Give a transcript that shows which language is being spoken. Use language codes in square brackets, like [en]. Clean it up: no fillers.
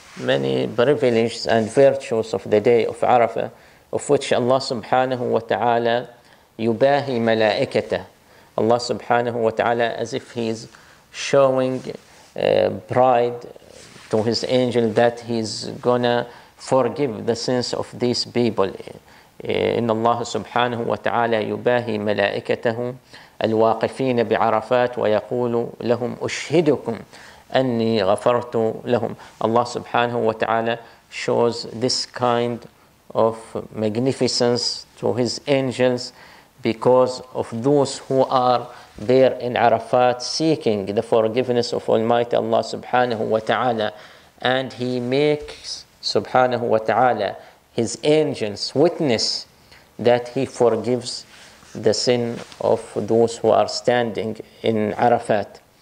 [en] many privileges and virtues of the day of Arafah, of which Allah subhanahu wa ta'ala [ar] yubahi malaikata. [en] Allah subhanahu wa ta'ala, as if he's showing pride to his angel that he's gonna forgive the sins of these people. [ar] إن الله سبحانه وتعالى يباهي ملائكته الواقفين بعرفات ويقول لهم أشهدكم أني غفرت لهم. [en] الله سبحانه وتعالى shows this kind of magnificence to his angels because of those who are there in Arafat seeking the forgiveness of Almighty Allah سبحانه وتعالى, and he makes سبحانه وتعالى his angels witness that he forgives the sin of those who are standing in Arafat.